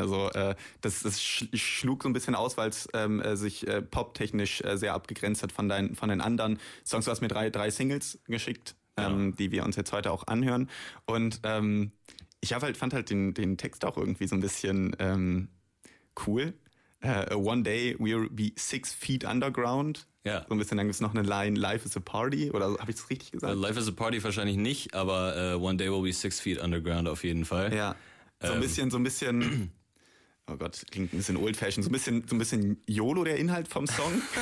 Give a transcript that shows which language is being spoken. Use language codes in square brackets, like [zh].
[de] Also das schlug so ein bisschen aus, weil es sich poptechnisch sehr abgegrenzt hat von den anderen Songs. Du hast mir drei Singles geschickt, die wir uns jetzt heute auch anhören. Und ich fand den Text auch irgendwie so ein bisschen cool. [en] One day we'll be 6 feet underground. [de] Ja. So ein bisschen, dann gibt es noch eine Line, [en] Life is a party, [de] oder habe ich das richtig gesagt? [en] Life is a party [de] wahrscheinlich nicht, aber [en] one day we'll be 6 feet underground [de] auf jeden Fall. Ja, so ein bisschen, oh Gott, klingt ein bisschen old-fashioned, so ein bisschen YOLO, der Inhalt vom Song.